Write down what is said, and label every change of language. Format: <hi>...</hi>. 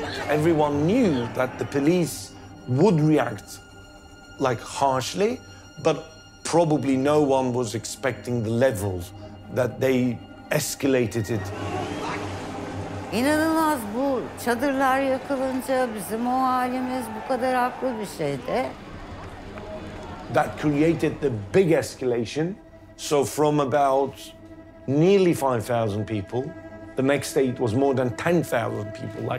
<en>Everyone knew that the police would react like harshly, but probably no one was expecting the levels that they escalated it.</en> <tr>İnanılmaz bu çadırlar yakılınca bizim o halimiz bu kadar haklı bir şeydi.</tr> <en>That created the big escalation. So from about nearly 5,000 people, the next day it was more than 10,000 people.</en>